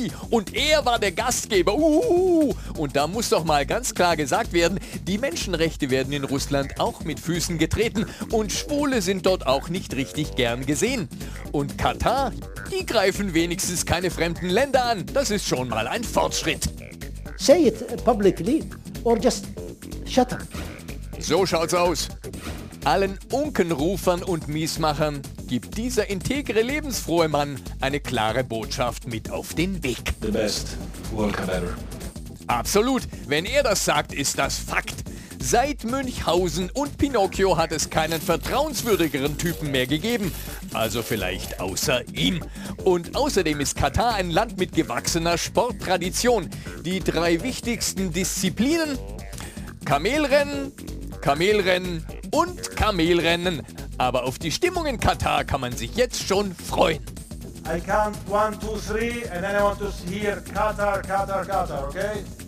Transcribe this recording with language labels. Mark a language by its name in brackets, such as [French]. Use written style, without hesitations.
[German] Und er war der Gastgeber. Und da muss doch mal ganz klar gesagt werden, die Menschenrechte werden in Russland auch mit Füßen getreten und Schwule sind dort auch nicht richtig gern gesehen. Und Katar, die greifen wenigstens keine fremden Länder an. Das ist schon mal ein Fortschritt. [English] Say it publicly or just shut up. [German] So schaut's aus. Allen Unkenrufern und Miesmachern gibt dieser integre, lebensfrohe Mann eine klare Botschaft mit auf den Weg. [English] The best will come ever. [German] Absolut. Wenn er das sagt, ist das Fakt. Seit Münchhausen und Pinocchio hat es keinen vertrauenswürdigeren Typen mehr gegeben. Also vielleicht außer ihm. Und außerdem ist Katar ein Land mit gewachsener Sporttradition. Die drei wichtigsten Disziplinen? Kamelrennen, Kamelrennen und Kamelrennen. Aber auf die Stimmung in Katar kann man sich jetzt schon freuen. [English] I count 1, 2, 3 and then I want to hear Katar, Katar, Katar, okay?